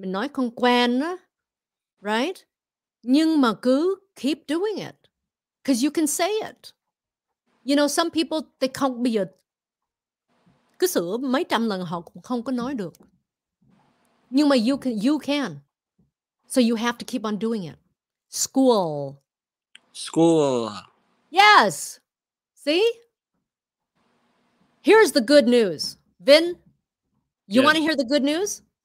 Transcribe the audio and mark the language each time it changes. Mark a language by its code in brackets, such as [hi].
[vi] Mình nói không quen, right? Nhưng mà cứ [en] keep doing it. Because you can say it. You know, some people, they can't be a... [vi] Cứ sửa mấy trăm lần họ cũng không có nói được. Nhưng mà [en] you can. So you have to keep on doing it. School. Yes. See? Here's the good news. Vin, you want to hear the good news?